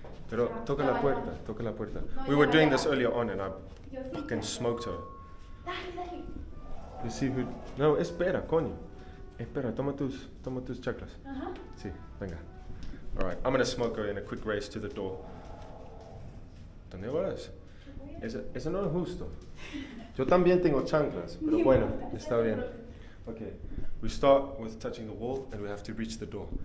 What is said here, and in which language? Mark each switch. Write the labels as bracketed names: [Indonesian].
[Spanish] Pero toca la puerta, toca la puerta. [English] We were doing this earlier on and I fucking smoked her. You see who... [Spanish] No, espera, coño. Espera, toma tus chaclas. Uh-huh. Sí, venga. [English] Alright, I'm gonna smoke her in a quick race to the door. [Spanish] ¿Dónde vas? Eso no es justo. Yo también tengo chanclas, pero bueno, está bien. [English] Okay, we start with touching the wall and we have to reach the door.